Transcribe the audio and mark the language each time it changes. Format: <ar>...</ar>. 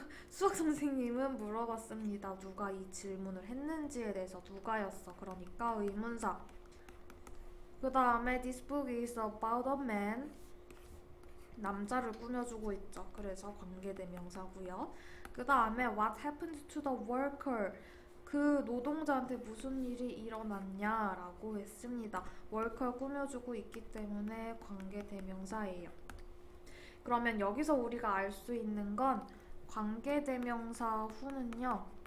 <ko>수학 선생님은 물어봤습니다. 누가 이 질문을 했는지에 대해서 누가였어. 그러니까 의문사. 그 다음에</ko> <en>this book is about a man.</en> <ko>남자를 꾸며주고 있죠. 그래서 관계대명사고요. 그 다음에</ko> <en>What happened to the worker?</en> <ko>그 노동자한테 무슨 일이 일어났냐라고 했습니다. worker 꾸며주고 있기 때문에 관계대명사예요. 그러면 여기서 우리가 알 수 있는 건 관계대명사 후는요.</ko>